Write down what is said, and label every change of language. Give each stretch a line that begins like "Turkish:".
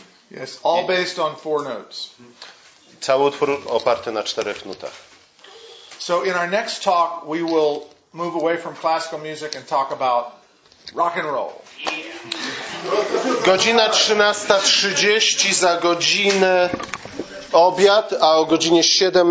English: Yes, all based on four notes.
Polish: Cały utwór oparty na czterech nutach.
English: So in our next talk we will move away from classical music and talk about rock and roll.
Polish: Godzina 13:30 za godzinę obiad, a o godzinie 7